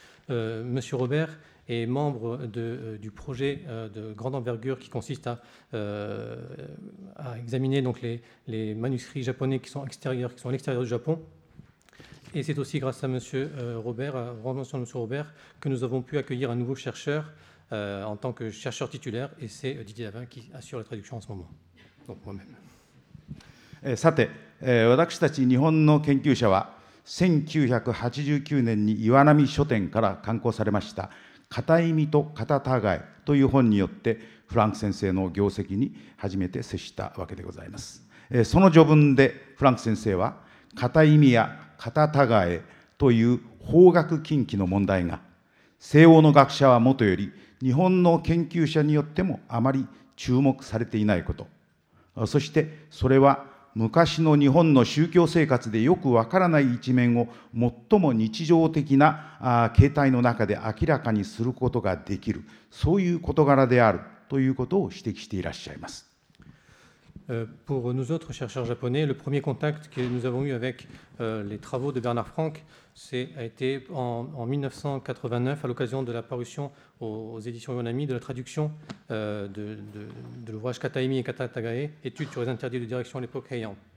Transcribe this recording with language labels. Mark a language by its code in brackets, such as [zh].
[fr] Monsieur Robert est membre du projet de grande envergure qui consiste à examiner donc les manuscrits japonais qui sont à l'extérieur du Japon. Et c'est aussi grâce à Monsieur Robert, à la remerciation de Monsieur Robert, que nous avons pu accueillir un nouveau chercheur en tant que chercheur titulaire, et c'est Didier Davin qui assure la traduction en ce moment. Donc moi-même. [ja] さて、私たち日本の研究者は1989年に岩波書店から刊行されました片意味と片たがいという本によってフランク先生の業績に初めて接したわけでございます。その序文でフランク先生は片意味や片たがいという方角禁忌の問題が西欧の学者はもとより日本の研究者によってもあまり注目されていないこと、そしてそれは昔の日本の宗教生活でよくわからない一面を最も日常的な形態の中で明らかにすることができる、そういう事柄であるということを指摘していらっしゃいます。 [fr] Pour nous autres chercheurs japonais, le premier contact que nous avons eu avec les travaux de Bernard Franck a été en 1989, à l'occasion de la parution aux éditions Yonami de la traduction de l'ouvrage Kataimi et Katatagae, études sur les interdits de direction à l'époque Heian.